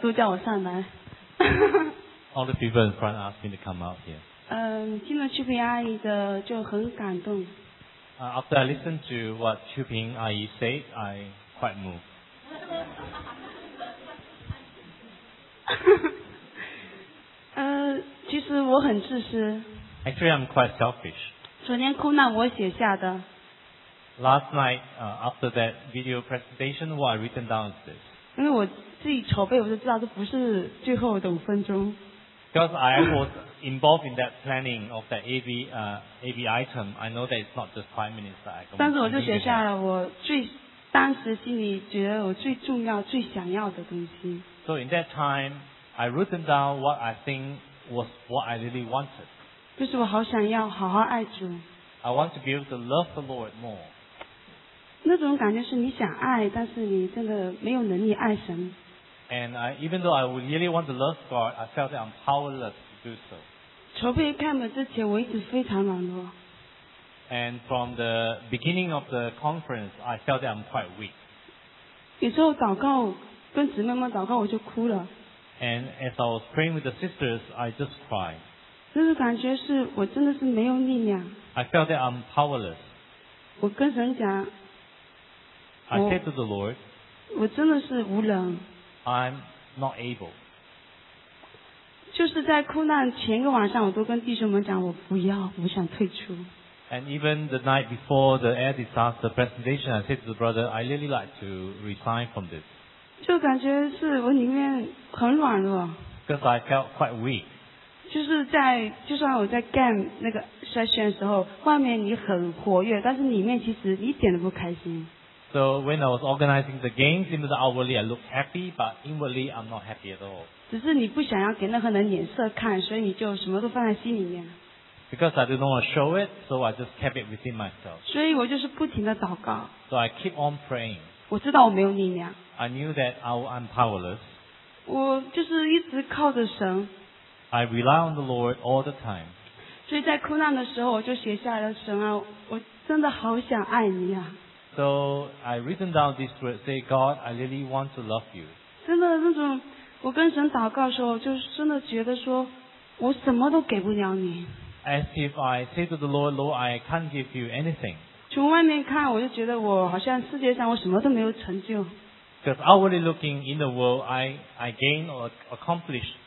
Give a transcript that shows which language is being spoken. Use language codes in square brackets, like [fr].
[en] All the people in front asked me to come out here. [zh] 听了秋萍阿姨的就很感动。 [en] After I listened to what 秋萍阿姨 said, I quite moved. [zh] 其实我很自私。 [en] Actually, I'm quite selfish. [zh] 昨天哭难我写下的。 [en] Last night, after that video presentation, what I written down is this. [zh] 因为我自己筹备，我就知道这不是最后的五分钟。 [en] Because I was involved in that planning of that AB item, I know that it's not just 5 minutes that I can. [zh] 但是我就写下了我最当时心里觉得我最重要、最想要的东西。 [en] So in that time, I wrote down what I think was what I really wanted. [zh] 就是我好想要好好爱主。 [en] I want to be able to love the Lord more. [zh] 那种感觉是你想爱，但是你真的没有能力爱神。 [en] And I, even though I would really want to love God, I felt that I'm powerless to do so. [zh] 筹备 camp 之前，我一直非常软弱。 [en] And from the beginning of the conference, I felt that I'm quite weak. [zh] 有时候祷告跟姊妹们祷告，我就哭了。 [en] And as I was praying with the sisters, I just cried. [zh] 那种感觉是我真的是没有力量。 [en] I felt that I'm powerless. [zh] 我跟神讲。 [en] I said to the Lord, [zh] 我真的是无能。 [en] I'm not able. [zh] 就是在苦难前一个晚上，我都跟弟兄们讲，我不要，我想退出。 [en] And even the night before the air disaster presentation, I said to the brother, I really like to resign from this. [zh] 就感觉是我里面很软弱。 [en] Because I felt quite weak. [zh] 就是在就算我在 game 那个 session 的时候，外面你很活跃，但是里面其实一点都不开心。 [en] So when I was organizing the games, even though outwardly I looked happy, but inwardly I'm not happy at all. [zh] 只是你不想要给任何人脸色看，所以你就什么都放在心里面。 [en] Because I did not want to show it, so I just kept it within myself. [zh] 所以我就是不停的祷告。 [en] So I keep on praying. [zh] 我知道我没有力量。 [en] I knew that I'm powerless. [zh] 我就是一直靠着神。 [en] I rely on the Lord all the time. [zh] 所以在苦难的时候，我就写下了神啊，我真的好想爱你啊。 [en] So I written down this word, say, God, I really want to love you. [zh] 真的那种，我跟神祷告的时候，就真的觉得说，我什么都给不了你。 [en] As if I say to the Lord, Lord, I can't give you anything. [zh] 从外面看，我就觉得我好像世界上我什么都没有成就。 [en] Because outwardly looking in the world, I gain or accomplish